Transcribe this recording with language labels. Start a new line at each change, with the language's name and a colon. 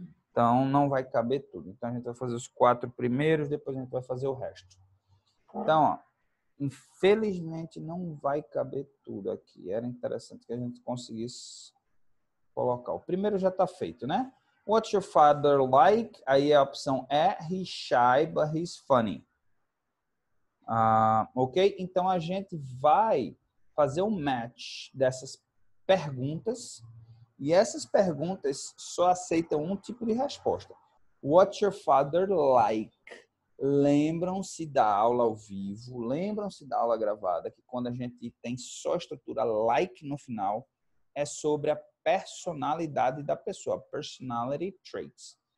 Portuguese: Então, não vai caber tudo. Então, a gente vai fazer os quatro primeiros, depois a gente vai fazer o resto. Então, ó, infelizmente, não vai caber tudo aqui. Era interessante que a gente conseguisse colocar. O primeiro já está feito, né?
English: What's your father like?
Portuguese: Aí a opção é,
English: he's shy, but he's funny. Ok?
Portuguese: Então, a gente vai fazer um match dessas perguntas. E essas perguntas só aceitam um tipo de resposta.
English: What's your father like?
Portuguese: Lembram-se da aula ao vivo, lembram-se da aula gravada, que quando a gente tem só a estrutura like no final, é sobre a personalidade da pessoa, personality traits.